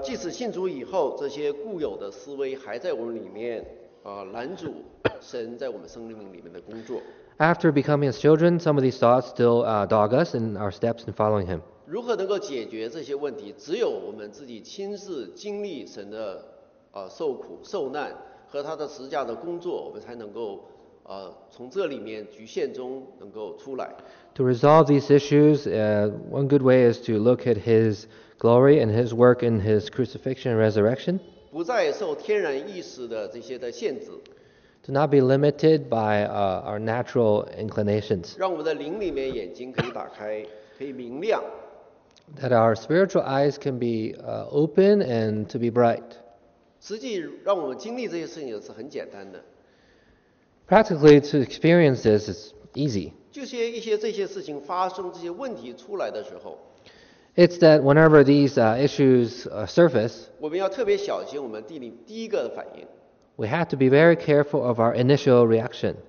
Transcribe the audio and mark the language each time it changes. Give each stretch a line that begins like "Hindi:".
Chinese: 即使信主以后，这些固有的思维还在我们里面，拦阻神在我们生命里面的工作。
English: After becoming his children, some of these thoughts still dog us in our steps in following him.
Chinese: 如何能够解决这些问题？只有我们自己亲自经历神的受苦、受难和他的十字架的工作，我们才能够从这里面局限中能够出来。
English: To resolve these issues, one good way is to look at his glory and his work in his crucifixion and resurrection.
Chinese: 不再受天然意识的这些的限制。
English: To not be limited by our natural inclinations.
Chinese: 让我们的灵里面眼睛可以打开，可以明亮。
English: That our spiritual eyes can be open and to be bright.
Chinese: 实际让我们经历这些事情是很简单的。
English: Practically, to experience this is easy.
Chinese: 就是一些这些事情发生，这些问题出来的时候。
English: It's that whenever these issues surface,
Chinese: 我们要特别小心我们第一个的反应。
English: We have to be very careful of our initial reaction.